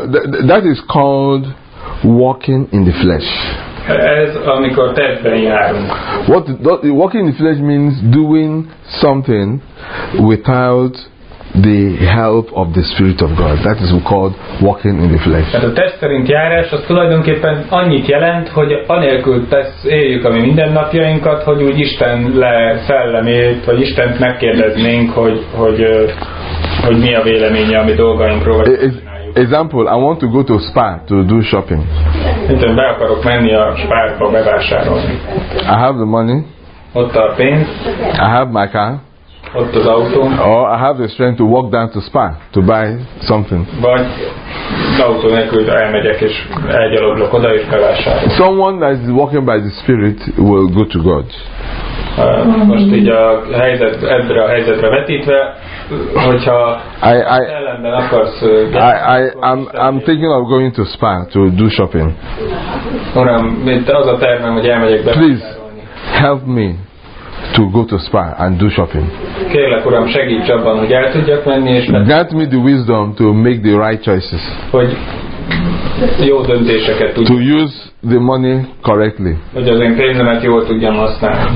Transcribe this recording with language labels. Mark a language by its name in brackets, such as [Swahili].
[English] Now, that is called walking in the flesh. [Hungarian] Ez amikor testben járunk. [English] What walking in the flesh means doing something without the help of the Spirit of God. That is called walking in the flesh. [Hungarian] Tehát a test szerint járás az tulajdonképpen annyit jelent, hogy anélkül éljük a mi mindennapjainkat, hogy úgy Isten szellemét, vagy Istent megkérdeznénk, hogy mi a véleménye a mi dolgainkról. [English] Example, I want to go to a spa to do shopping. [Hungarian] Én be akarok menni a spárba bevásárolni. [English] I have the money. [Hungarian] Ott a pénz. [English] I have my car. [Hungarian] Ott az autó. [English] Or I have the strength to walk down to spa to buy something. [Hungarian] Vagy autó nélkül elmegyek és elgyaloglok oda és bevásárolok. [English] Someone that is walking by the Spirit will go to God. [Hungarian] Most így ebbre a helyzetre vetítve, hogyha szellemben akarsz. [English] I'm thinking of going to spa to do shopping. [Hungarian] Uram, mint az a tervem, hogy elmegyek be. [English] Please help me to go to spa and do shopping. [Hungarian] Kérlek, Uram, segíts abban, hogy el tudjak menni és. [English] Grant me the wisdom to make the right choices. [Hungarian] Hogy jó döntéseket tudjak. [English] To use the money correctly. [Hungarian] Hogy az én pénzemet jól tudjam használni.